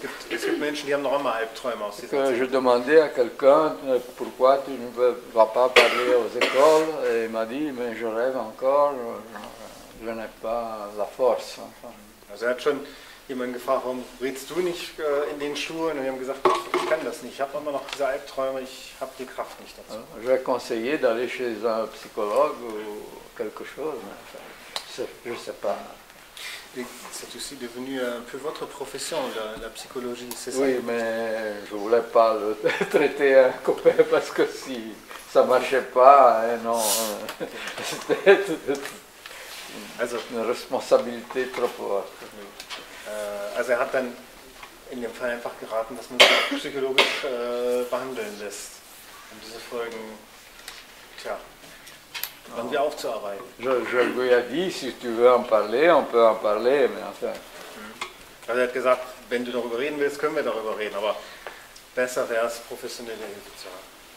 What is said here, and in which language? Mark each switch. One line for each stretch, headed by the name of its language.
German: Es gibt Menschen, die haben noch immer Albträume aus dieser Zeit.
French: Je demandais à quelqu'un pourquoi tu ne vas pas parler aux écoles et il m'a dit mais je rêve encore, je n'ai pas la force.
German: Also er hat schon jemanden gefragt, warum redest du nicht in den Schulen? Und die haben gesagt, ich kann das nicht, ich habe immer noch diese Albträume, ich habe die Kraft nicht dazu.
French: Je vais conseiller d'aller chez un psychologue ou quelque chose, mais je ne sais pas. C'est aussi devenu un peu votre profession, la psychologie, c'est ça? Oui, mais je ne voulais pas le traiter un copain parce que si ça ne marchait pas, non, c'était une responsabilité trop forte.
German: Also, er hat dann in dem Fall einfach geraten, dass man sich psychologisch behandeln lässt, um diese Folgen, on vient off travail.
French: Je lui ai dit, si tu veux en parler, on peut en parler, mais enfin.
German: Also, er hat gesagt, wenn du darüber reden willst, können wir darüber reden, aber besser wäre es, professionelle Hilfe zu haben.